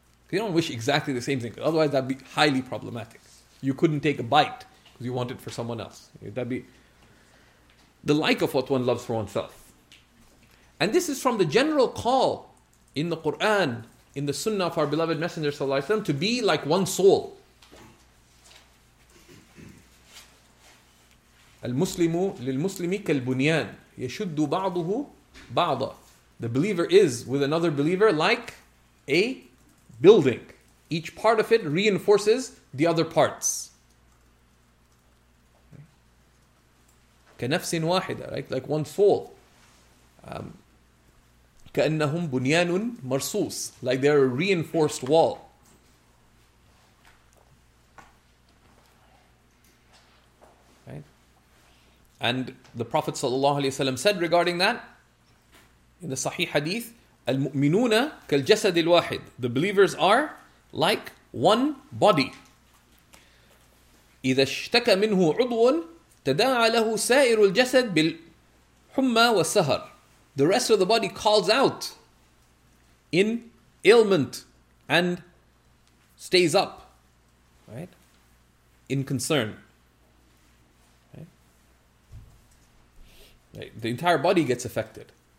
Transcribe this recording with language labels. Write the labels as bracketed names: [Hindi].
[English] You don't wish exactly the same thing, otherwise that'd be highly problematic. You couldn't take a bite because you want it for someone else. That'd be the like of what one loves for oneself. And this is from the general call in the Quran, in the Sunnah of our beloved Messenger Sallallahu Alaihi Wasallam, to be like one soul. [Arabic] المسلم للمسلم كالبنيان يشد بعضه بعضا. [English] The believer is with another believer like a building. Each part of it reinforces the other parts. [Arabic] كنفس واحدة, right? [English] Like one soul. [Arabic] كأنهم بنيان مرصوص. [English] Like they're a reinforced wall. And the Prophet ﷺ said regarding that in the Sahih Hadith, [Arabic] "Al-mu'minuna kal-jasad al-wahid." [English] The believers are like one body. [Arabic] إذا اشتكى منه عضو تداعى له سائر الجسد بالحمى والسهر. [English] The rest of the body calls out in ailment and stays up, right? In concern. The entire body gets affected.